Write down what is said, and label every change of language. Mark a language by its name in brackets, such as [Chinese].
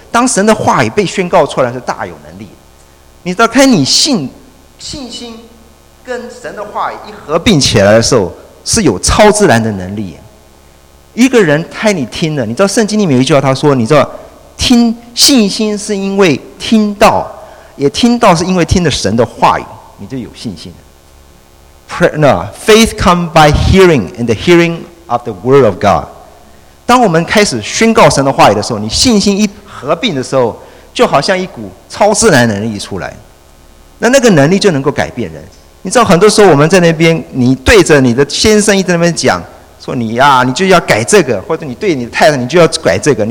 [Chinese] 当神的话语被宣告出来是大有能力。你知道，看你信心跟神的话语一合并起来的时候，是有超自然的能力。一个人太你听了，你知道圣经里面有一句话，他说，你知道听信心是因为听到，也听到是因为听了神的话语，你就有信心了。 [English] No, Faith come by hearing and the hearing of the word of God. [Chinese] 当我们开始宣告神的话语的时候，你信心一合并的时候，就好像一股超自然能力出来，那个能力就能够改变人。你知道很多时候我们在那边，你对着你的先生一直在那边讲说你呀、啊，你就要改这个，或者你对你的太太，你就要改这个。